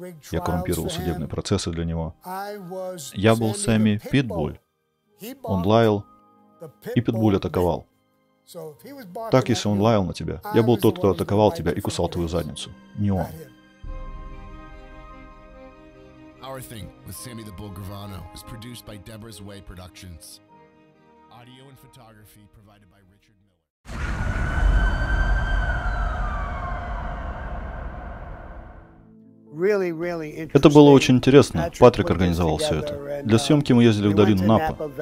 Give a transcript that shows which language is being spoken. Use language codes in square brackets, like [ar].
[ru] Я коррумпировал судебные процессы для него. Я был Сэмми Питбуль. Он лаял, и Питбуль атаковал. Так, если он лаял на тебя, я был тот, кто атаковал тебя и кусал твою задницу. Не он. [en] Our Thing with Sammy the Bull Gravano is produced by Deborah's Way Productions. Audio and photography provided by Richard Miller. Really, really interesting. [ru] Это было очень интересно. Патрик организовал все это. Для съемки мы ездили в долину Напа.